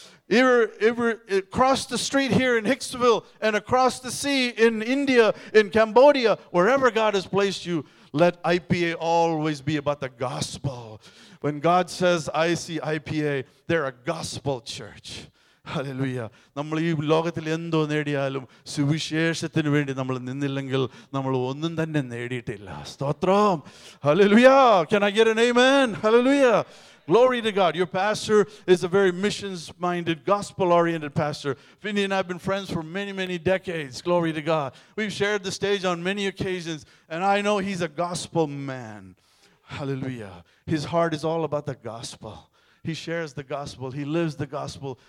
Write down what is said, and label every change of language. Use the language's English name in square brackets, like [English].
[English] Across the street here in Hicksville, and across the sea in India, in Cambodia, wherever God has placed you, let IPA always be about the gospel. When God says, I see IPA, they're a gospel church. Hallelujah. [Malayalam] നമ്മൾ ഈ ലോകത്തിൽ എന്തോ നേടിയാലും സുവിശേഷത്തിന് വേണ്ടി നമ്മൾ നിന്നില്ലെങ്കിൽ നമ്മൾ ഒന്നും തന്നെ നേടിയിട്ടില്ല. [English] സ്തോത്രം. Hallelujah. Can I get an amen? Hallelujah. Glory to God. Your pastor is a very missions-minded, gospel-oriented pastor. Finney and I have been friends for many, many decades. Glory to God. We've shared the stage on many occasions, and I know he's a gospel man. Hallelujah. His heart is all about the gospel. He shares the gospel. He lives the gospel.